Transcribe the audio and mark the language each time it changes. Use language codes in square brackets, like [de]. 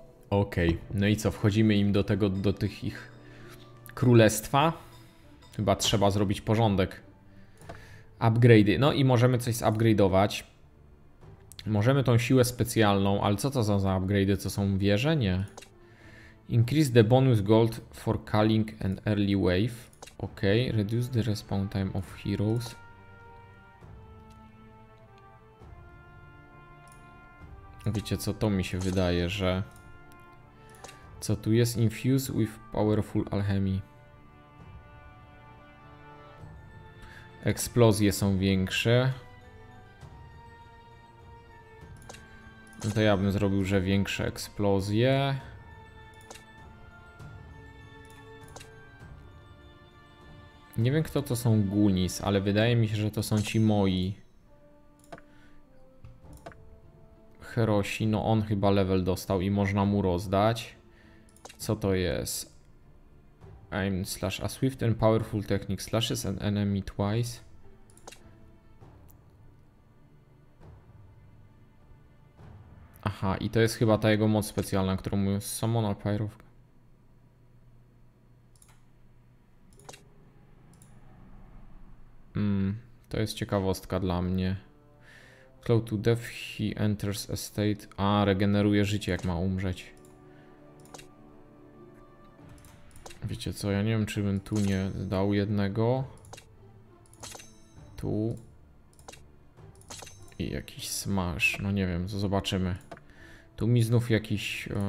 [pl] Okej, okay. No i co, wchodzimy im do tego, do tych ich królestwa. Chyba trzeba zrobić porządek. Upgrade'y, no i możemy coś zupgrade'ować. Możemy tą siłę specjalną, ale co to za upgrade'y, co są wieże? Nie. [en] Increase the bonus gold for culling an early wave. Ok, reduce the respawn time of heroes. [pl] Wiecie co, to mi się wydaje, że... Co tu jest? [en] Infuse with powerful alchemy. [pl] Eksplozje są większe. No to ja bym zrobił, że większe eksplozje. Nie wiem, kto to są Gunis, ale wydaje mi się, że to są ci moi. Herosi, no on chyba level dostał i można mu rozdać. Co to jest? [en] Aim slash a swift and powerful technique slashes an enemy twice. [pl] Aha, i to jest chyba ta jego moc specjalna, którą mówił Summoner Pyro. To jest ciekawostka dla mnie. [en] Close to death, he enters a state. [pl] A, regeneruje życie, jak ma umrzeć. Wiecie co, ja nie wiem, czy bym tu nie dał jednego. Tu. I jakiś smash. No nie wiem, zobaczymy. Tu mi znów jakiś...